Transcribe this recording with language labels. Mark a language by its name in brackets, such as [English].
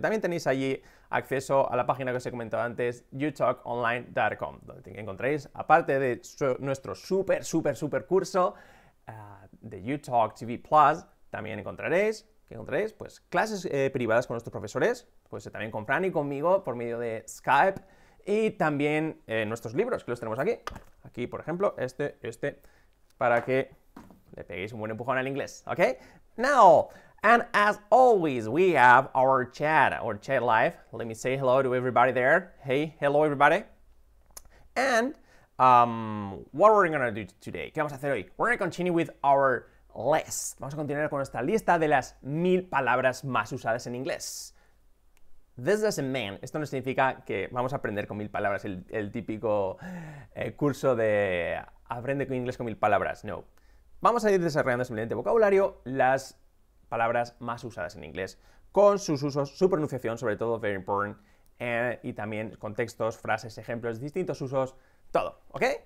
[Spanish] También tenéis allí acceso a la página que os he comentado antes, youtalkonline.com, donde encontraréis, aparte de nuestro súper, súper, súper curso de YouTalk TV Plus, también encontraréis, pues, clases privadas con nuestros profesores, pues también con Fran y conmigo por medio de Skype, y también nuestros libros, que los tenemos aquí. Aquí, por ejemplo, este, para que le peguéis un buen empujón al inglés, ¿ok? [English] Now, and as always, we have our chat live. Let me say hello to everybody there. Hey, hello everybody. And what are we going to do today? [Spanish] ¿Qué vamos a hacer hoy? [English] We're going to continue with our list. [Spanish] Vamos a continuar con nuestra lista de las 1000 palabras más usadas en inglés. [English] This doesn't mean, [Spanish] esto no significa que vamos a aprender con 1000 palabras el típico curso de aprende con inglés con 1000 palabras, no. Vamos a ir desarrollando simplemente vocabulario, las palabras más usadas en inglés, con sus usos, su pronunciación, sobre todo, [English] very important, [Spanish] y también contextos, frases, ejemplos, distintos usos, todo, ¿ok?